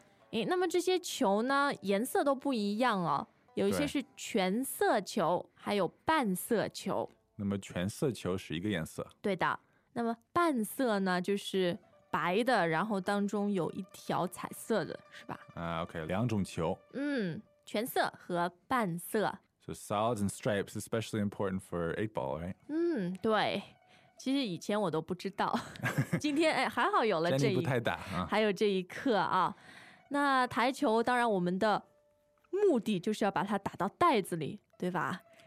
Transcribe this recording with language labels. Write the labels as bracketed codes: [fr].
[zh] 诶，那么这些球呢，颜色都不一样哦，有一些是全色球，还有半色球。那么全色球是一个颜色。对的。那么半色呢，就是白的，然后当中有一条彩色的，是吧？ OK, 两种球。全色和半色。 [en] So solids and stripes, especially important for eight ball, right? [zh] 对。其实以前我都不知道，今天哎还好有了这一，不太大，还有这一课啊。那台球当然我们的目的就是要把它打到袋子里，对吧？